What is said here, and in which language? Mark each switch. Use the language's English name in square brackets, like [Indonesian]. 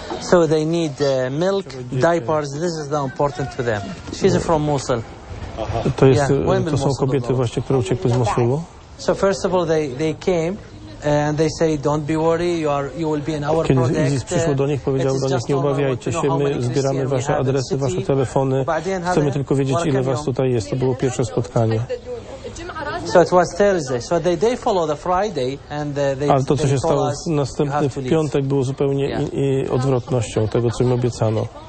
[English] So they need milk, diapers. This is the important to them. She's from Mosul. [Polish] To jest, to są kobiety właśnie, które uciekły z Mosulu. [English] So first of all they came and they say don't be worried, you will be in our project. [Polish] Kiedy ISIS przyszło do nich, powiedział do nich, nie obawiajcie się, my zbieramy wasze adresy, wasze telefony, chcemy tylko wiedzieć ile was tutaj jest. To było pierwsze spotkanie. [English] So it was Thursday. So they follow the Friday and they [Polish] ale to, co się stało następny w piątek, było zupełnie i odwrotnością tego, co im obiecano.